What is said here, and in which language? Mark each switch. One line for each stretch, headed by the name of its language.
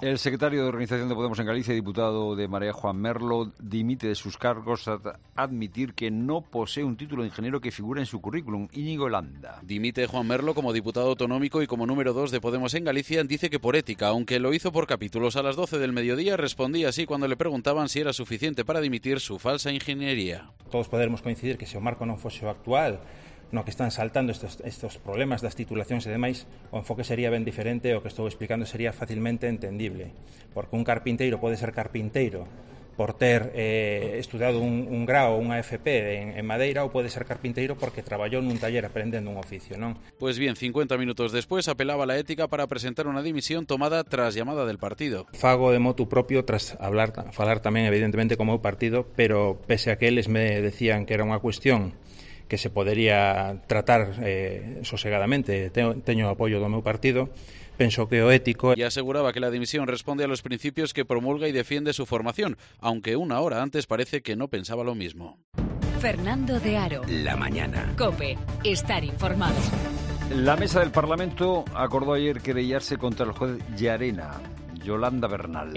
Spanish: El secretario de Organización de Podemos en Galicia y diputado de Marea, Juan Merlo, dimite de sus cargos al admitir que no posee un título de ingeniero que figure en su currículum. Íñigo Landa. Dimite Juan Merlo como diputado autonómico y como número 2 de Podemos en Galicia. Dice que por ética, aunque lo hizo por capítulos. A las 12 del mediodía respondía así cuando le preguntaban si era suficiente para dimitir su falsa ingeniería.
Galician: Todos podremos coincidir que se o marco non fose o actual, no que están saltando estos problemas das titulacións e demais, o enfoque sería ben diferente, o que estou explicando sería facilmente entendible, porque un carpinteiro pode ser carpinteiro por ter estudado un grao, unha FP en Madeira, ou pode ser carpinteiro porque traballou nun taller aprendendo un oficio, non?
Spanish: Pois bien, 50 minutos despois apelaba a la ética para presentar unha dimisión tomada tras llamada del partido.
Galician: Fago de motu propio tras falar tamén evidentemente como o partido, pero pese a que eles me decían que era unha cuestión que se podería tratar sosegadamente, teño apoio do meu partido, penso que o ético.
Spanish: E aseguraba que la dimisión responde a los principios que promulga y defiende su formación, aunque una hora antes parece que no pensaba lo mismo. Fernando de Aro. La mañana. COPE. Estar informado. La mesa del Parlamento acordó ayer querellarse contra el juez Llarena. Yolanda Bernal.